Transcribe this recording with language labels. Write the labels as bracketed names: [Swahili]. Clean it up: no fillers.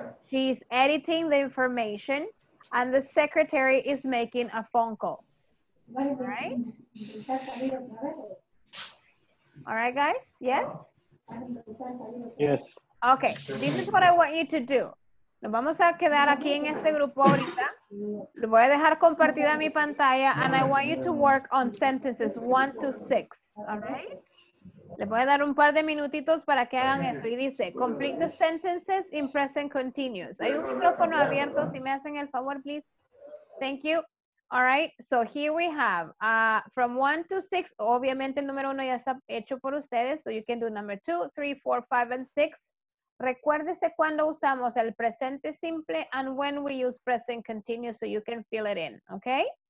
[English] She's editing the information. And the secretary is making a phone call. Right? All right, guys? Yes? Yes. Okay. This is what I want you to do. [Spanish] Nos vamos a quedar aquí en este grupo ahorita. Lo voy a dejar compartida mi pantalla. [English] And I want you to work on sentences 1 to 6. All right? [Spanish] Le voy a dar un par de minutitos para que hagan esto. Y dice, [English] complete the sentences in present continuous. [Spanish] Hay un micrófono abierto, si me hacen el favor, [English] please. Thank you. All right, so here we have, from 1 to 6, [Spanish] obviamente el número 1 ya está hecho por ustedes, [English] so you can do number 2, 3, 4, 5, and 6. [Spanish] Recuérdese cuando usamos el presente simple [English] and when we use present continuous so you can fill it in, okay?